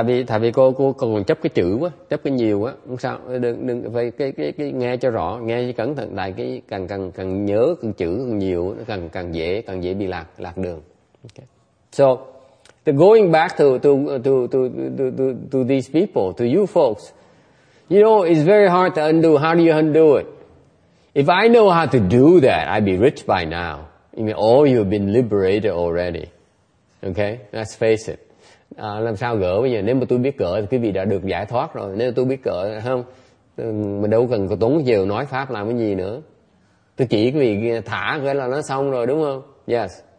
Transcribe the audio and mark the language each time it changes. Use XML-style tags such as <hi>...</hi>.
<vi>Tại vì cô còn chấp cái chữ quá, chấp cái nhiều quá, không sao, đừng phải cái nghe cho rõ, nghe cho cẩn thận, tại cái càng nhớ càng chữ càng nhiều, nó càng dễ bị lạc đường.</vi> <en>Okay. So the going back to these people, to you folks, you know, it's very hard to undo. How do you undo it? If I know how to do that, I'd be rich by now. I mean, all you have been liberated already.</en> <vi>Okay, let's face it. Làm sao gỡ bây giờ? Nếu mà tôi biết gỡ thì quý vị đã được giải thoát rồi. Nếu tôi biết gỡ, không, mình đâu cần tốn nhiều nói pháp làm cái gì nữa. Tôi chỉ quý vị thả cái là nó xong rồi, đúng không? Yes.</vi>